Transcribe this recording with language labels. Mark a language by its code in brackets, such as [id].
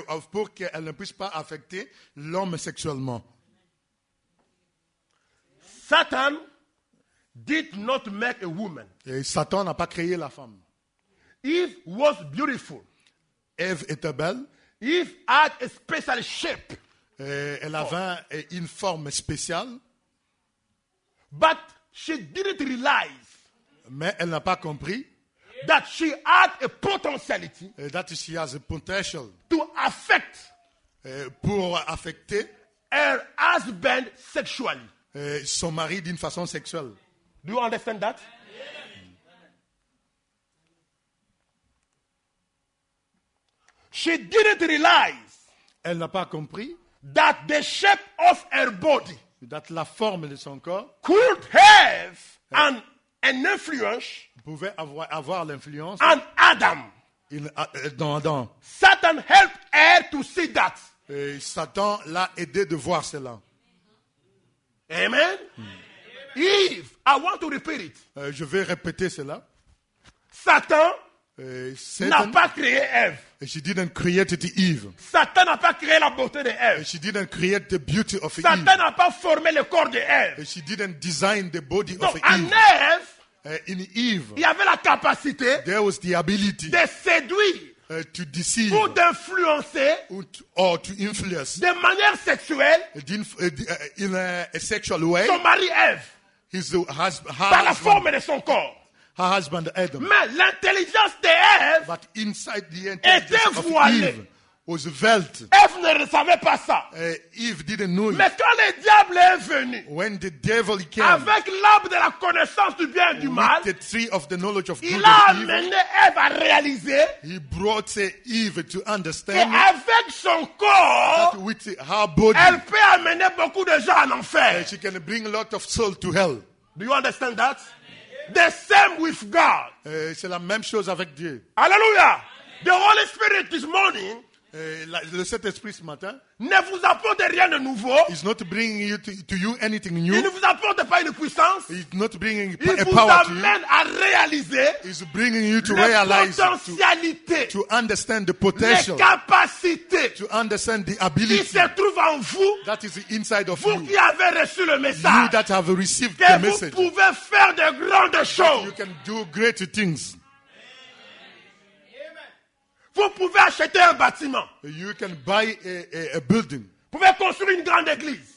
[fr] Pour qu'elle ne puisse pas affecter l'homme sexuellement. [en] Satan did not make a woman. [fr] Et Satan n'a pas créé la femme. [en] Eve was beautiful. [fr] Eve était belle. [en] Eve had a special shape. [fr] Elle avait une forme spéciale. [en] But she didn't realize. [fr] Mais elle n'a pas compris. [en] That she had a potentiality. That she has a potential. To affect. [fr] Pour affecter. [en] Her husband sexually. [fr] Son mari d'une façon sexuelle. [en] Do you understand that? She didn't realize. [fr] Elle n'a pas compris. [en] That the shape of her body. [fr] That la forme de son corps. [en] Could have an influence. [fr] Pouvait avoir l'influence. [en] On Adam. [fr] Dans Adam. [en] Satan helped her to see that. [fr] Satan l'a aidé de voir cela. [en] Amen. Eve, I want to repeat it. [fr] Je vais répéter cela. Satan n'a pas créé Eve. [en] She didn't create the Eve. [fr] Satan n'a pas créé la beauté de Eve. [en] She didn't create the beauty of Satan Eve. [fr] Satan n'a pas formé le corps de Eve. [en] She didn't design the body of Eve. [fr] Non, Eve. [en] In Eve. [fr] Il y avait la capacité. [en] There was the ability. [fr] De séduire. [en] To deceive, [fr] ou d'influencer [en] or to influence, [fr] de manière sexuelle [en] in a sexual way, [fr] son mari Eve par la forme de son corps [en] her husband Adam. [fr] Mais l'intelligence de Eve [en] but inside the intelligence [fr] était voilée. [en] Of Eve was veiled. [fr] Eve ne savait pas ça. [en] Eve didn't know [fr] mais quand le diable est venu [en] when the devil came, [fr] avec l'arbre de la connaissance du bien et du mal [en] the tree of the knowledge of [fr] il a amené Eve à réaliser [en] he brought Eve to understand [fr] que avec son corps [en] that with her body, [fr] elle peut amener beaucoup de gens en enfer. [en] She can bring a lot of soul to hell. Do you understand that? The same with God. [fr] C'est la même chose avec Dieu. [en] Alléluia. The Holy Spirit this morning [fr] le Saint-Esprit ce matin ne vous apporte rien de nouveau. [en] He's not bringing you to you anything new. [fr] Il ne vous apporte pas une puissance. [en] He's not bringing [fr] il [en] a power to you. [fr] Il vous amène à réaliser. [en] He's bringing you to realize. [fr] La potentialité. [en] To understand the potential. [fr] La capacité. [en] To understand the ability. [fr] Qui se trouve en vous. [en] That is inside of [fr] vous [en] you. [fr] Vous qui avez reçu le message. [en] You that have received [fr] que [en] the message. [fr] Que vous pouvez faire de grandes choses. [en] You can do great things. [fr] Vous pouvez acheter un bâtiment. [en] You can buy a building. [fr] Vous pouvez construire une grande église.